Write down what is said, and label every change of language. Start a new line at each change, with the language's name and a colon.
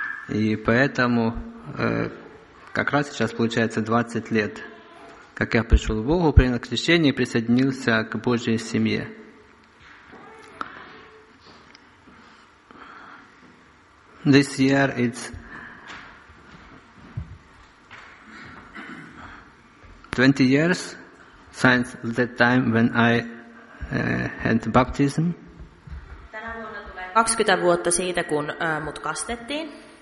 Russian: И поэтому как раз сейчас получается 20 лет. Как я пришел к Богу, принял крещение и присоединился к Божьей семье.
English: This year it's 20 years since the time when I had baptism.
Finnish: Tänä vuonna tulee 20 vuotta siitä, kun mut kastettiin.